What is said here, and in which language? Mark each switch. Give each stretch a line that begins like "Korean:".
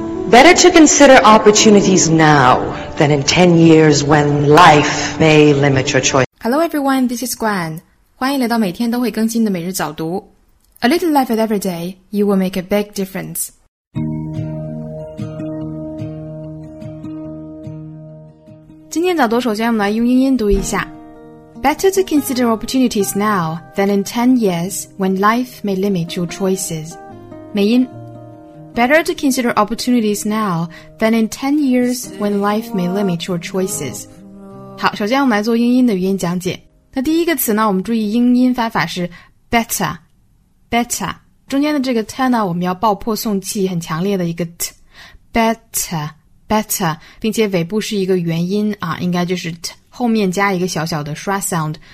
English: Better to consider opportunities now than in 10 years when life may limit your choice. Hello everyone, this is Gwen.
Chinese: 欢迎来到每天都会更新的每日早读。
English: A little life at every day, you will make a big difference.
Chinese: 今天早读首先我们来用英音读一下。
English: Better to consider opportunities now than in 10 years when life may limit your choices.
Chinese: 美音。
English: Better to consider opportunities now than in 10 years when life may limit your choices.
Chinese: 好，首先我们来做英音的语音讲解。那第一个词呢，我们注意英音发法是 better, better. 中间的这个 t 呢，我们要爆破送气，很强烈的一个 t. Better, better, 并且尾部是一个元音啊，应该就是 t, 后面加一个小小的 schwa sound.